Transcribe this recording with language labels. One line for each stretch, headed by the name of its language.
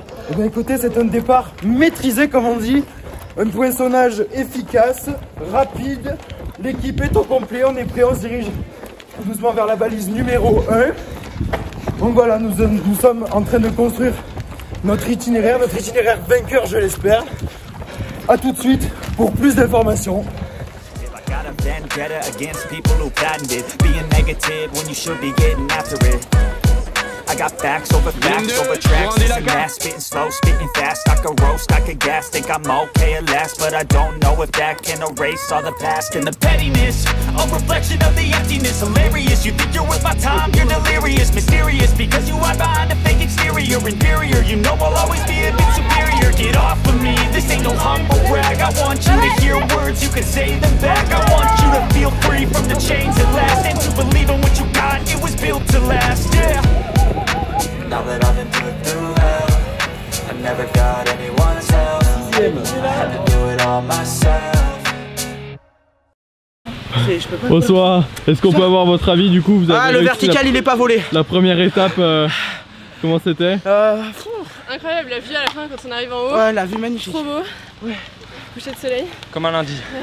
French: Eh bien écoutez, c'est un départ maîtrisé comme on dit. Un poinçonnage efficace, rapide. L'équipe est au complet, on est prêt, on se dirige doucement vers la balise numéro 1. Donc voilà, nous sommes en train de construire notre itinéraire vainqueur je l'espère. A tout de suite pour plus d'informations.
English: Vendetta against people who patented being negative when you should be getting after it. I got facts over tracks, mass spitting slow, spitting fast. I could roast, I could gas, think I'm okay at last, but I don't know if that can erase all the past and the pettiness, a reflection of the emptiness. Hilarious, you think you're worth my time, you're delirious, mysterious, because you hide behind a fake exterior, inferior. You know I'll always be a bit superior. Get off of me, this ain't no humble brag. I want you to hear words, you can say them back. I want you to feel free from the chains at last, and to believe in what you got, it was built to last, yeah. Now that I've been put through hell, I never got anyone's help. I had to do it all myself.
French: Bonsoir, est-ce qu'on peut avoir votre avis du coup? Vous avez le vertical, il est pas volé. La première étape, comment c'était? Incroyable, la vue à la fin quand on arrive en haut. Ouais, la vue magnifique. Trop beau. Ouais. Coucher de soleil. Comme un lundi.